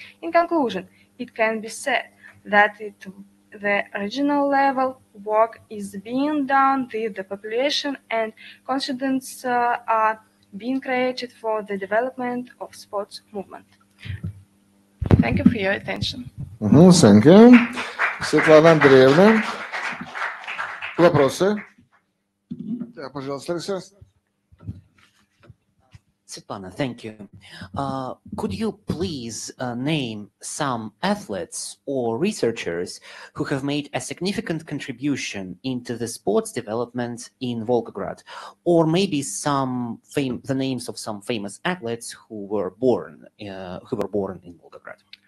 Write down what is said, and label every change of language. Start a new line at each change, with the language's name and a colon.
English: In conclusion, it can be said that the regional level work is being done with the population and confidence are being created for the development of sports movement. Thank you for your attention. Thank you.
Russian: Светлана Андреевна, вопросы? Да, пожалуйста, Александр.
English: Светлана, thank you. Could you please name some athletes or researchers who have made a significant contribution into the sports development in Volgograd, or maybe some the names of some famous athletes who were born in Volgograd?